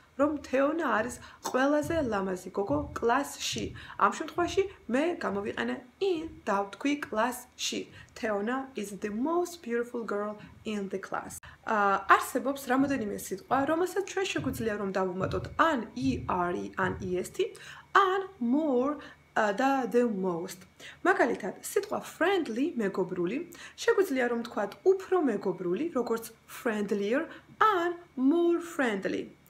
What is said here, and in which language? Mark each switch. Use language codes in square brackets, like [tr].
[ka] რომ თეონა არის ყველაზე ლამაზი გოგო კლასში. ამ შემთხვევაში მე გამოვიყენე in და ვთქვი კლასში. [en] Theona is the most beautiful girl in the class. [ka] არსებობს რამოდენიმე სიტყვა, რომელსაც ჩვენ შეგვიძლია რომ დავუმატოთ ან ER, ან EST, ან more და the most. მაგალითად, სიტყვა friendly, მეგობრული, შეგვიძლია რომ ვთქვათ უფრო მეგობრული, როგორც [en] friendlier and more friendly.